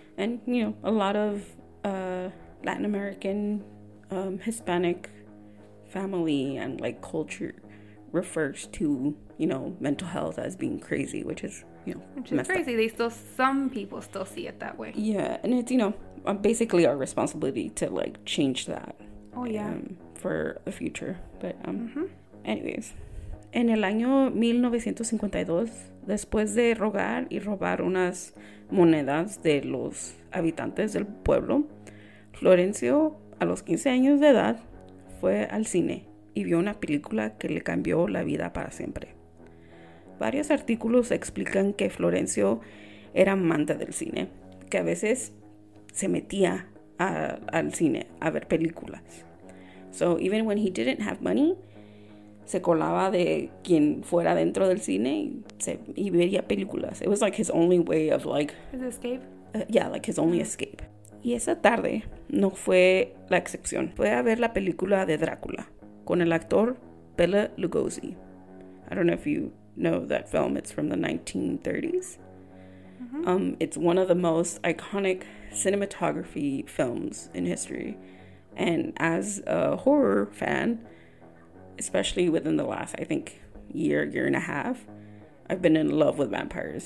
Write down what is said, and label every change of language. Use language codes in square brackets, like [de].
[en] And, a lot of Latin American, Hispanic family and, culture refers to, mental health as being crazy, which is... Which is crazy. Up. They still, some people still see it that way. Yeah. And it's, basically our responsibility to, change that. Oh, yeah. For the future. But, mm-hmm. Anyways. [es] En el año 1952, después de rogar y robar unas monedas de los habitantes del pueblo, Florencio, a los 15 años de edad, fue al cine y vio una película que le cambió la vida para siempre. Varios artículos explican que Florencio era amante del cine, que a veces se metía al cine a ver películas. [en] So even when he didn't have money, [es] se colaba de quien fuera dentro del cine y veía películas. [en] It was like his only way of his escape. His only escape. [es] Y esa tarde no fue la excepción. Fue a ver la película de Drácula con el actor Bela Lugosi. [en] I don't know if you know that film. It's from the 1930s. Mm-hmm. It's one of the most iconic cinematography films in history. And as a horror fan, especially within the last, year and a half, I've been in love with vampires.